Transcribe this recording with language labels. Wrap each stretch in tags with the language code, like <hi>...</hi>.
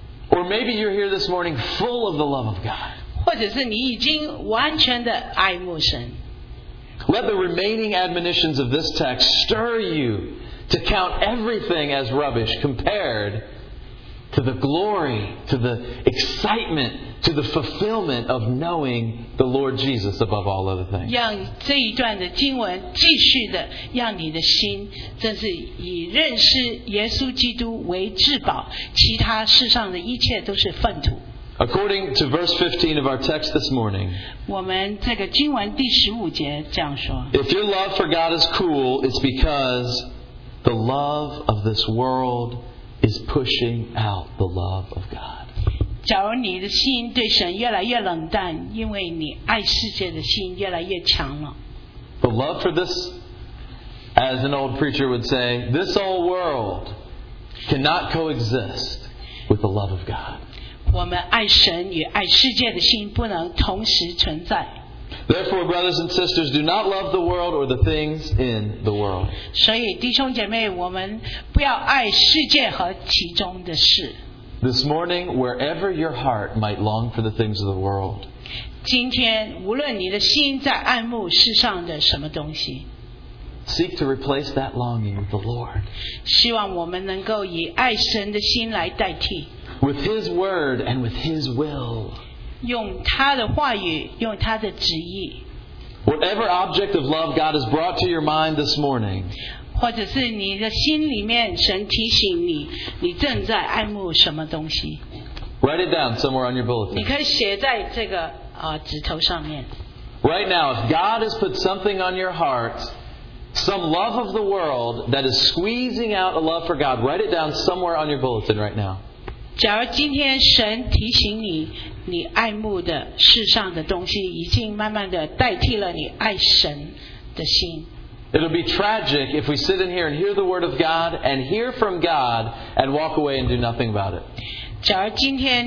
<en>Or maybe you're here this morning full of the love of God.</en> <zh>或者是你已经完全的爱慕神。</zh> <en>Let the remaining admonitions of this text stir you to count everything as rubbish compared to the glory, to the excitement, to the fulfillment of knowing the Lord Jesus above all other things.</en> <zh>让这一段的经文继续的让你的心真是以认识耶稣基督为至宝，其他世上的一切都是粪土。</zh> <en>According to verse 15 of our text this morning,</en> <zh>我们这个经文第十五节这样说。</zh> <en>If your love for God is cool, it's because the love of this world is pushing out the love of God.</en> <zh>假如你的心对神越来越冷淡，因为你爱世界的心越来越强了。</zh> <en>The love for this, as an old preacher would say, this old world cannot coexist with the love of God.</en> <zh>我们爱神与爱世界的心不能同时存在。</zh> <en>Therefore, brothers and sisters, do not love the world or the things in the world.</en> <zh>所以弟兄姐妹，我们不要爱世界和其中的事。</zh> <en>This morning, wherever your heart might long for the things of the world.</en> <zh>今天，无论你的心在爱慕世上的什么东西。</zh> <en>Seek to replace that longing with the Lord.</en> <zh>希望我们能够以爱神的心来代替。</zh> <en>With His word and with His will.</en> <zh>用他的话语，用他的旨意。</zh> <en>Whatever object of love God has brought to your mind this morning, write it down somewhere on your bulletin. Right now, if God has put something on your heart, some love of the world that is squeezing out a love for God, write it down somewhere on your bulletin right now.</en> <zh>假如今天神提醒你，你爱慕的世上的东西已经慢慢的代替了你爱神的心。</zh> <en>It'll be tragic if we sit in here and hear the word of God and hear from God and walk away and do nothing about it.</en>